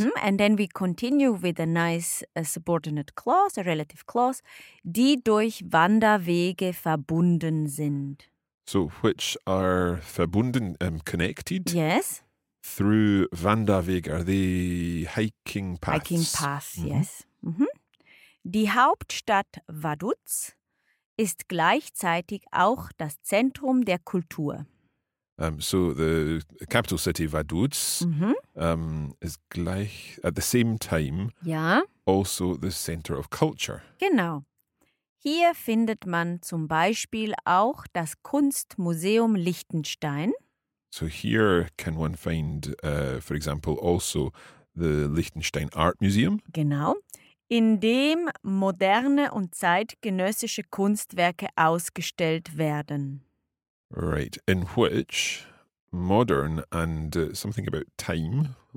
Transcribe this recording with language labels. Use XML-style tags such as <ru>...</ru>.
<en>Mm-hmm. And then we continue with a nice subordinate clause, a relative clause,</en> <de>die durch Wanderwege verbunden sind.</de> <en>So which are verbunden, connected? Yes. Through Wanderwege, are they hiking paths? Hiking paths, mm-hmm. Yes. Mm-hmm.</en> <de>Die Hauptstadt Vaduz ist gleichzeitig auch das Zentrum der Kultur.</de> <en>So the capital city Vaduz is gleich, at the same time, also the center of culture.</en> <de>Genau. Hier findet man zum Beispiel auch das Kunstmuseum Liechtenstein.</de> <en>So here can one find, for example, also the Liechtenstein Art Museum.</en> <de>Genau. In dem moderne und zeitgenössische Kunstwerke ausgestellt werden.</de> <en>Right. In which modern and something about time.</en>